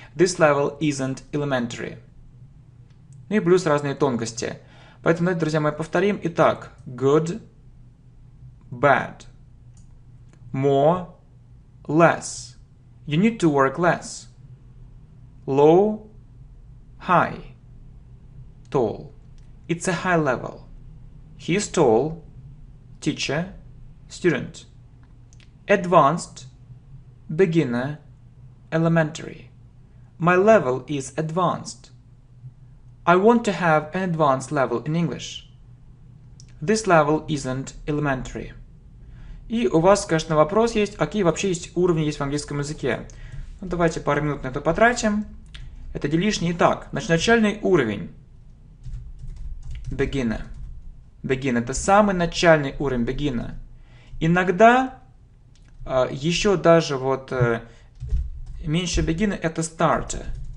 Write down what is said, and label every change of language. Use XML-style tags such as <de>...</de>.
<en>This level isn't elementary.</en> <ru>Ну и плюс разные тонкости. Поэтому, давайте, друзья мои, повторим. Итак,</ru> <en>good, bad, more, less, you need to work less, low, high, tall. It's a high level. He is tall, teacher, student. Advanced, beginner, elementary. My level is advanced. I want to have an advanced level in English. This level isn't elementary.</en> <ru>И у вас, конечно, вопрос есть, а какие вообще есть уровни есть в английском языке? Ну, давайте пару минут на это потратим. Это не лишнее. Итак, значит, начальный уровень.</ru> <en>Beginner.</en> <ru>Beginner – это самый начальный уровень beginner. Иногда еще даже вот меньше beginner – это starter.</ru>